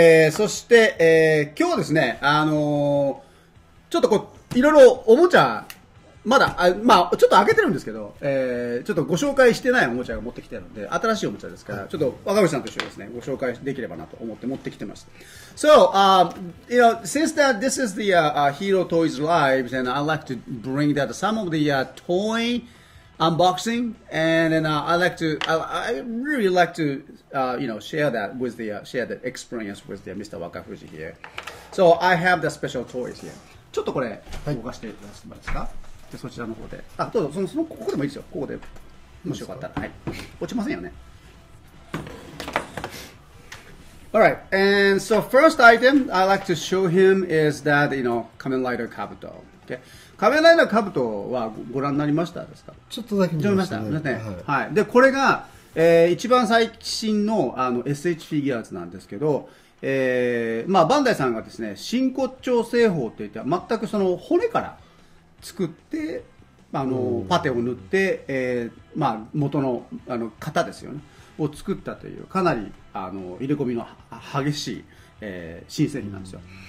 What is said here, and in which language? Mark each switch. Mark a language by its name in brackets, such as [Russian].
[Japanese] そして、今日ですね、ちょっとこういろいろおもちゃまだあ、まあ、ちょっと開けてるんですけど、ちょっとご紹介してないおもちゃが持ってきてるので新しいおもちゃですから、はい、ちょっと若林さんと一緒にですねご紹介できればなと思って持ってきてます。 [English] So, you know, since that this is the Hero Toys Live and I'd like to bring that some of the toy unboxing and then I really like to you know share that with the share the experience with the Mr. Wakafuji here. So I have the special toys here. [Japanese] ちょっとこれ動かしてもらえますか。でそちらの方で、あどうぞ、そのここでもいいですよ、ここでもしよかったら、はい、落ちませんよね。 [English] All right, and so first item I like to show him is that you know Kamen Rider Kabuto. Okay. [Japanese] 仮面ライダーカブトはご覧になりましたですか。ちょっとだけ見ました、ね、はい、はい、でこれが、一番最新 の, あの SH フィギュアーズなんですけど、まあ、バンダイさんがですね真骨頂製法っていって全くその骨から作ってあのパテを塗って、まあ、元 の, あの型ですよねを作ったというかなりあの入れ込みの激しい、新製品なんですよ。